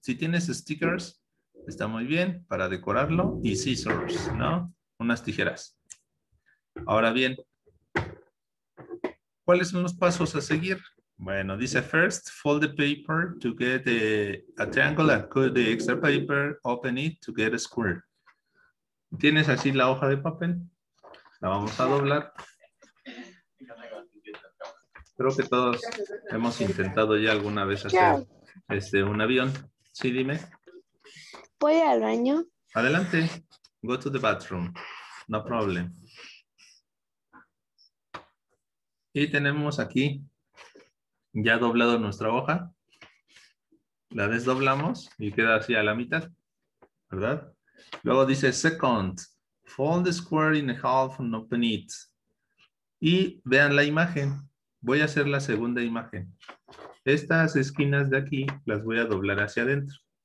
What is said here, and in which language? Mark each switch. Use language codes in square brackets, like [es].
[es] Si tienes stickers, está muy bien para decorarlo. Y scissors, ¿no? Unas tijeras. Ahora bien, ¿cuáles son los pasos a seguir? Bueno, dice [en] first, fold the paper to get a triangle and cut the extra paper, open it to get a square. [es] Tienes así la hoja de papel. La vamos a doblar. Creo que todos hemos intentado ya alguna vez hacer un avión. Sí, dime. Voy al baño. Adelante. [en] Go to the bathroom. No problem. [es] Y tenemos aquí. Ya doblado nuestra hoja, la desdoblamos y queda así a la mitad, ¿verdad? Luego dice, [en] second, fold the square in half and open it. [es] Y vean la imagen. Voy a hacer la segunda imagen. Estas esquinas de aquí las voy a doblar hacia adentro.